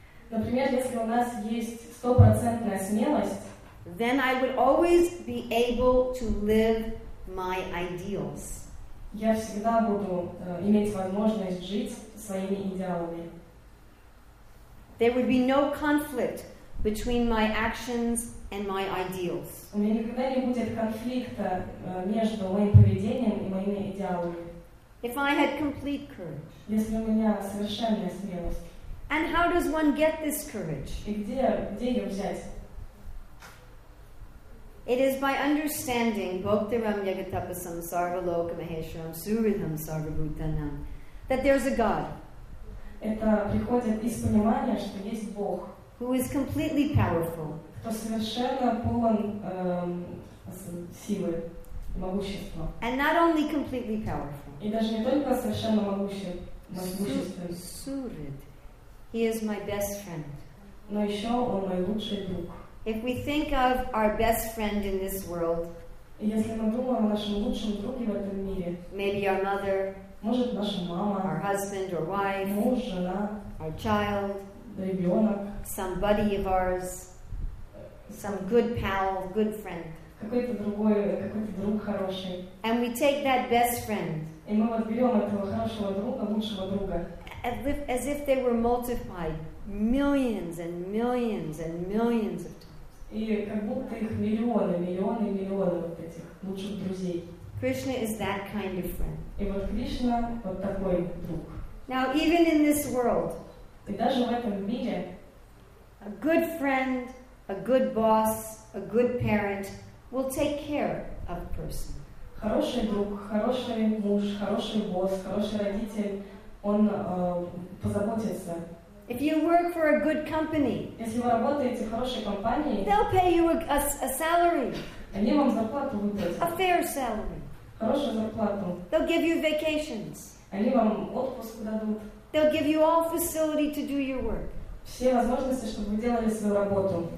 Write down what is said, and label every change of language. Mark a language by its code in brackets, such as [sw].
[ru] например, если у нас есть 100% смелость, [en] then I would always be able to live my ideals. [ru] Я всегда буду иметь возможность жить своими идеалами. [en] There would be no conflict between my actions and my ideals. [ru] У меня никогда не будет конфликта между моим поведением и моими идеалами. [en] If I had complete courage. [ru] Если у меня совершенная смелость. [en] And how does one get this courage? [ru] И где ее взять? [en] It is by understanding [sa] Bhoktaram Yagatapasam Sarvaloka Maheshram Suridham Sarvabhutanam [en] that there's a God. [ru] Это приходит из понимания, что есть Бог. [en] Who is completely powerful. [ru] Кто совершенно полон силы. [en] And not only completely powerful. [ru] И даже не только совершенно могущественным. [en] Surid, he is my best friend. [ru] Но еще он мой лучший друг. [en] If we think of our best friend in this world, [ru] если мы думаем о нашем лучшем друге в этом мире, [en] maybe our mother, [ru] может наша мама, [en] our husband or wife, [ru] муж, жена, [en] our child, [ru] ребенок, [en] some buddy of ours, some good pal, good friend. [ru] Какой-то друг хороший. [en] And we take that best friend. [ru] И мы вот берем этого хорошего друга, лучшего друга. [en] As if they were multiplied millions and millions and millions of times. [ru] И как будто их миллионы, миллионы, миллионы вот этих лучших друзей. [en] Krishna is that kind of friend. [ru] И вот Кришна вот такой друг. [en] Now even in this world. [ru] И даже в этом мире. [en] A good friend, a good boss, a good parent. Will take care of a person. [ru] Хороший друг, хороший муж, хороший босс, хороший родитель, он позаботится. [en] If you work for a good company, [ru] если вы работаете в хорошей компании, [en] they'll pay you a salary. [ru] Они вам зарплату выплатят. [en] A fair salary. [ru] Хорошую зарплату. [en] They'll give you vacations. [ru] Они вам отпуск дадут. [en] They'll give you all facility to do your work. [ru] Все возможности, чтобы вы делали свою работу.